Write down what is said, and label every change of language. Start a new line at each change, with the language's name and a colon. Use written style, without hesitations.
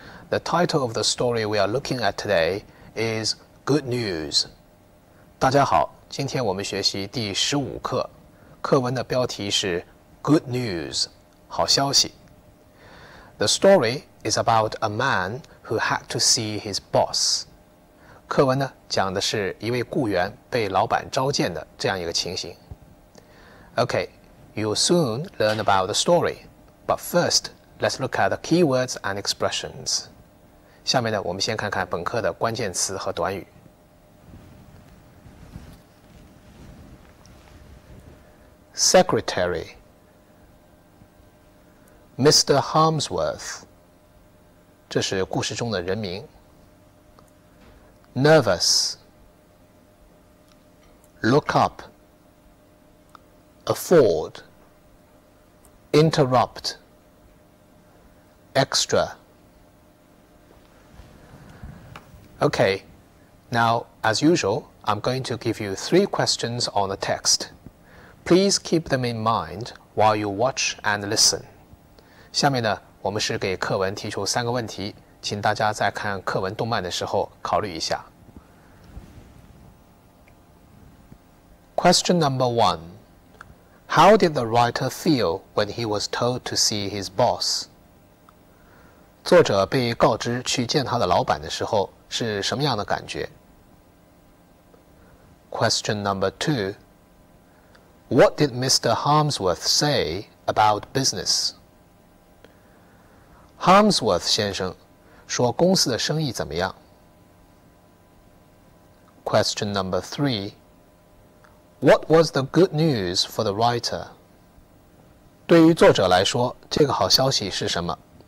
English: The title of the story we are looking at today is Good News.
Chinese: 大家好,今天我们学习第十五课。课文的标题是 Good News, 好消息。
English: The story is about a man who had to see his boss.
Chinese: 课文呢,讲的是一位雇员被老板召见的这样一个情形。
English: Okay. You'll soon learn about the story, but first, let's look at the keywords and expressions.
Chinese: 下面呢，我们先看看本课的关键词和短语。
English: Secretary, Mr. Harmsworth,
Chinese: 这是故事中的人名。
English: Nervous, look up, afford,Interrupt, extra. Okay, now as usual, I'm going to give you three questions on the text. Please keep them in mind while you watch and listen.
Chinese: 下面呢，我们是给课文提出三个问题，请大家在看课文动漫的时候考虑一下。
English: Question number one. How did the writer feel when he was told to see his boss?
Chinese: 作者被告知去见他的老板的时候是什么样的感觉?
English: Question number two. What did Mr. Harmsworth say about business?
Chinese: Harmsworth 先生说公司的生意怎么样?
English: Question number three. What was the good news for the writer?
Chinese: 对于作者来说,这个好消息是什么?